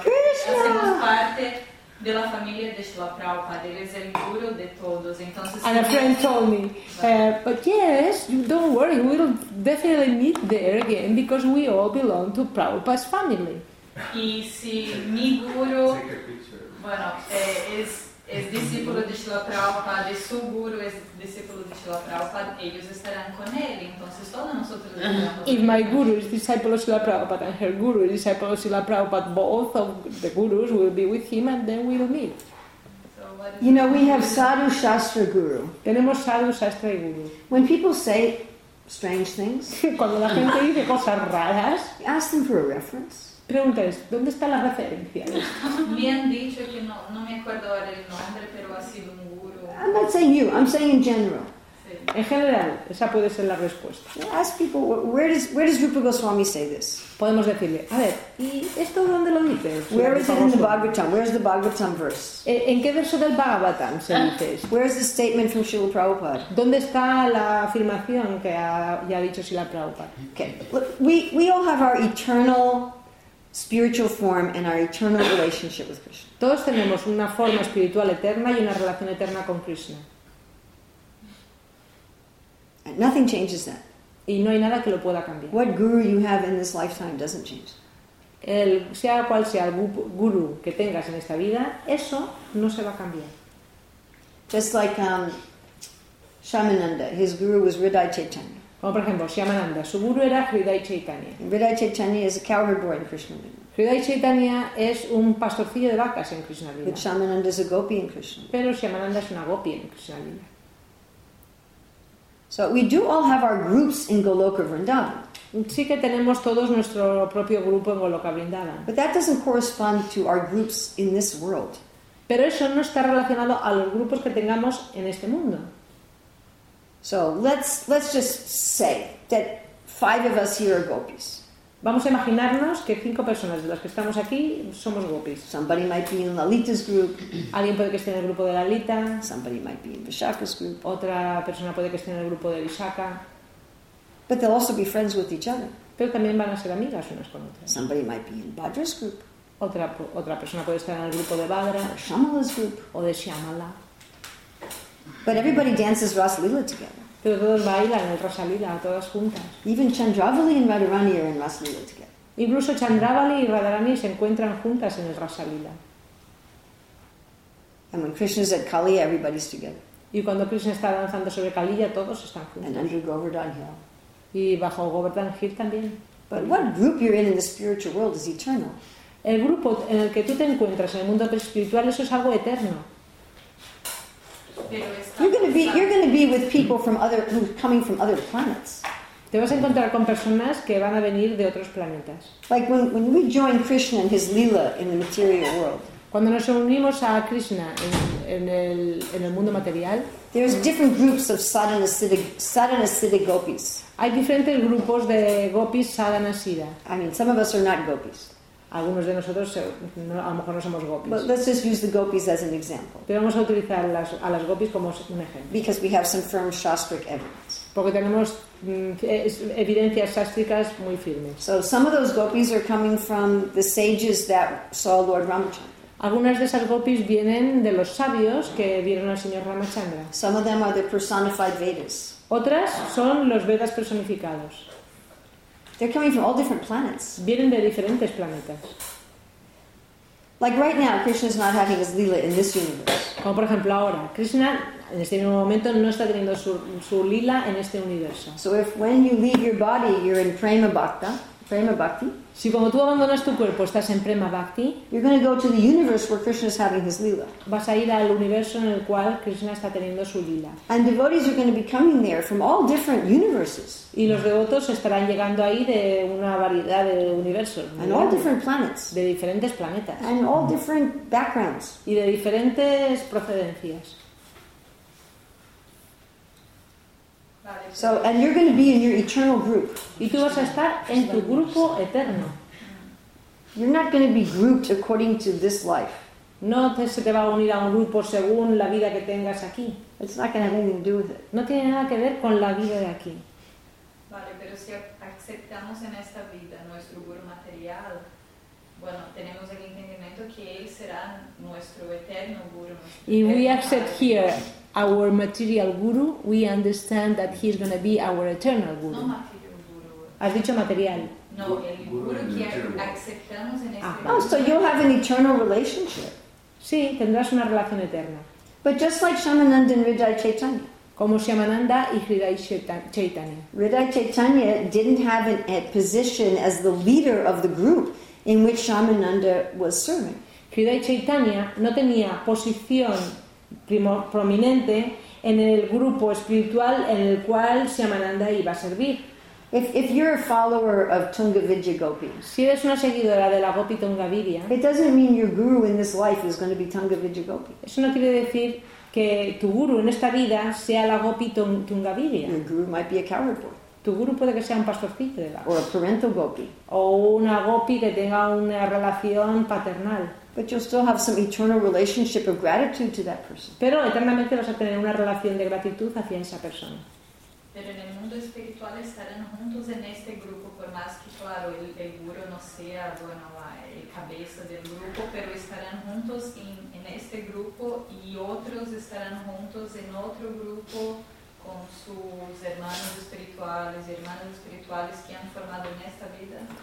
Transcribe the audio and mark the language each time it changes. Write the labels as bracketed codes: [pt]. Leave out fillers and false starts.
[es] Hacemos parte de la familia de Shila Prabhupada, él es el guru de todos. Entonces, [en] and a friend told me, but yes, you don't worry, we'll definitely meet there again because we all belong to Prabhupada's family. [es] Y si mi guru, bueno, es discípulo de Shila Prabhupada, su guru es discípulo de Shila Prabhupada, ellos estarán con él. Entonces, todos nosotros estamos. [en] If my guru is disciple of Shila Prabhupada and her guru is disciple of Shila Prabhupada, both of the gurus will be with him and then we will meet. You know, we have Sadhu Shastra Guru. [es] Tenemos Sadhu Shastra Guru. [en] When people say strange things, [es] cuando la gente dice cosas raras, [en] ask them for a reference. [es] Pregunta es, ¿dónde está la referencia? Me han dicho que no me acuerdo ahora el nombre, pero ha sido un guru. [en] I'm not saying you, I'm saying in general. [es] Sí. En general, esa puede ser la respuesta. [en] Ask people, where does Rupa Goswami say this? [es] Podemos decirle, a ver, ¿y esto dónde lo dice? [en] Where is it in the Bhagavatam? Where is the Bhagavatam verse? [es] ¿En qué verso del Bhagavatam se dice? [en] Where is the statement from Srila Prabhupada? [es] ¿Dónde está la afirmación que ya ha dicho Srila Prabhupada? [en] Okay, look, we all have our eternal spiritual form and our eternal relationship with Krishna. [es] Todos tenemos una forma espiritual eterna y una relación eterna con Krishna. [en] And nothing changes that. [es] Y no hay nada que lo pueda cambiar. [en] What guru you have in this lifetime doesn't change. [es] El sea cual sea el guru que tengas en esta vida, eso no se va a cambiar. [en] Just like Shamananda, his guru was Hridaya Chaitanya. [es] Como por ejemplo, Shyamananda, su guru era Hridaya Chaitanya. [en] Hridaya Chaitanya is a cowherd boy in Krishna Vrinda. [es] Hridaya Chaitanya es un pastorcillo de vacas en Krishna Vrinda. [en] But Shyamananda is a gopi in Krishna Vrinda. [es] Pero Shyamananda es una gopi en Krishna Vrinda. [en] So we do all have our groups in Goloka Vrindavan. [es] Sí que tenemos todos nuestro propio grupo en Goloka Vrindavan. [en] But that doesn't correspond to our groups in this world. [es] Pero eso no está relacionado a los grupos que tengamos en este mundo. [en] So let's just say that five of us here are gopis. [es] Vamos a imaginarnos que cinco personas de las que estamos aquí somos gopis. [en] Somebody might be in Lalita's group. [es] Alguien puede que esté en el grupo de Lalita. [en] Somebody might be in Vishaka's group. [es] Otra persona puede que esté en el grupo de Vishaka. [en] But they'll also be friends with each other. [es] Pero también van a ser amigas unas con otras. [en] Somebody might be in Bhadra's group. [es] Otra persona puede estar en el grupo de Bhadra. [en] Or Shyamala's group. [es] O de Shyamala. [en] But everybody dances Rasa Lila together. [es] Pero todos bailan el Rasa Lila, todas juntas. [en] Even Chandravali and Radharani are in Rasa Lila together. [es] Incluso Chandravali y Radharani se encuentran juntas en el Rasa Lila. [en] And when Krishna's at Kaliya, everybody's together. [es] Y cuando Krishna está danzando sobre Kaliya, todos están juntos. [en] And under Govardhan Hill. [es] Y bajo Govardhan Hill también. [en] But what group you're in the spiritual world is eternal. [es] El grupo en el que tú te encuentras en el mundo espiritual, eso es algo eterno. [en] You're going to be with people from other who's coming from other planets. [es] Te vas a encontrar con personas que van a venir de otros planetas. [en] Like when we join Krishna and his lila in the material world. [es] Cuando nos unimos a Krishna en el mundo material, [en] there's different groups of sadhana siddha gopis. [es] Hay diferentes grupos de gopis sadhana siddha. [en] I mean, some of us are not gopis. [es] Algunos de nosotros a lo mejor no somos gopis. [en] But let's just use the gopis as an example. [es] Pero vamos a utilizar a las gopis como un ejemplo. [en] Because we have some firm shastric evidence. [es] Porque tenemos evidencias shastricas muy firmes. [en] So some of those gopis are coming from the sages that saw Lord Ramachandra. [es] Algunas de esas gopis vienen de los sabios que vieron al señor Ramachandra. [en] Some of them are the personified Vedas. [es] Otras son los Vedas personificados. [en] They're coming from all different planets. [es] Vienen de diferentes planetas. [en] Like right now, Krishna's not having his lila in this universe. [es] Como por ejemplo ahora, Krishna en este mismo momento no está teniendo su lila en este universo. [en] So if when you leave your body, you're in prema bhakta. [es] Prema bhakti. Si cuando tú abandonas tu cuerpo estás en prema bhakti, [en] you're going to go to the universe where Krishna is having his lila. [es] Vas a ir al universo en el cual Krishna está teniendo su lila. [en] And devotees are going to be coming there from all different universes. [es] Y los devotos estarán llegando ahí de una variedad de universos. [en] And all different planets. [es] De diferentes planetas. [en] And all different backgrounds. [es] Y de diferentes procedencias. [en] So, and you're going to be in your eternal group. [es] Y tú vas a estar en tu grupo eterno. [en] You're not going to be grouped according to this life. [es] No te se te va a unir a un grupo según la vida que tengas aquí. [en] It's not going to have anything to do with it. [es] No tiene nada que ver con la vida de aquí. Vale, pero si aceptamos en esta vida nuestro cuerpo material, bueno, tenemos el entendimiento que él será nuestro eterno guru. [en] If we accept here our material guru, we understand that he is going to be our eternal guru. No material guru. [es] Has dicho material. No, el guru que aceptamos en este momento. [en] Oh, so you'll have an eternal relationship. [es] Sí, tendrás una relación eterna. [en] But just like Shamananda and Hridaya Chaitanya. [es] Como Shamananda y Hridaya Chaitanya. [en] Hridaya Chaitanya didn't have a position as the leader of the group in which Shamananda was serving. [es] Hridaya Chaitanya no tenía posición prominente en el grupo espiritual en el cual Shyamananda iba a servir. [en] If you're a follower of Tungavidya Gopi, [es] si eres una seguidora de la Gopi Tungavidya, [en] it doesn't mean your guru in this life is going to be Tungavidya Gopi. [es] Eso no quiere decir que tu guru en esta vida sea la Gopi Tungavidya. [en] Your guru might be a coward boy. [es] Tu guru puede que sea un pastorcito de vacas. [en] Or a parental gopi. [es] O una gopi que tenga una relación paternal. [en] But you'll still have some eternal relationship of gratitude to that person. [es] Pero eternamente vas a tener una relación de gratitud hacia esa persona. Pero en el mundo espiritual estarán juntos en este grupo, por más que, claro, el guru no sea, bueno, la cabeza del grupo, pero estarán juntos en este grupo y otros estarán juntos en otro grupo con sus hermanos espirituales, hermanos espirituales que han formado en esta vida.